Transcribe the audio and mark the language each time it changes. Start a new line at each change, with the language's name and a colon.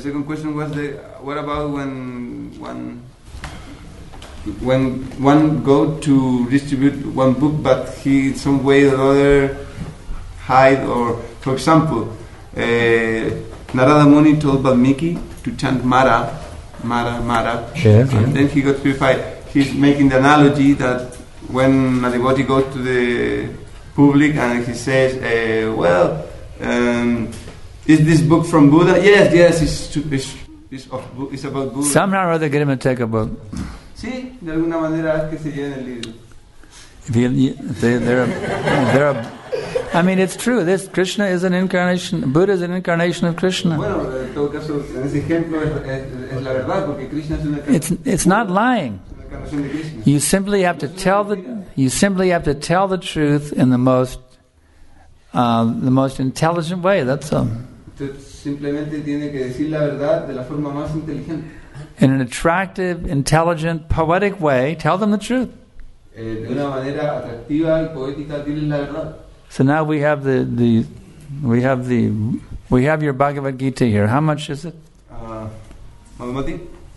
English: Yeah, the second question was the, what about when one go to distribute one book, but he in some way or other hide, or for example, Narada Muni told Valmiki to chant Mara. Mara. Yes, and then he got purified. He's making the analogy that when a devotee goes to the public and he says, is this book from Buddha? Yes, it's about Buddha. Somehow or other, get him to take a book.
Spanish: Sí, de alguna manera es que se lleve el libro.
English: I mean, it's true. This Krishna is an incarnation. Buddha is an incarnation of Krishna.
Spanish: Bueno, en todo caso, en ese ejemplo es la verdad, porque Krishna es una.
English: It's not lying. You simply have to tell the truth in the most intelligent way. That's all.
Spanish: Simplemente tiene que decir la verdad de la forma más inteligente.
English: In an attractive, intelligent, poetic way, tell them the truth.
Spanish: De una manera atractiva y poética, dile la verdad.
English: So now we have the your Bhagavad Gita here. How much is it? Madhumati?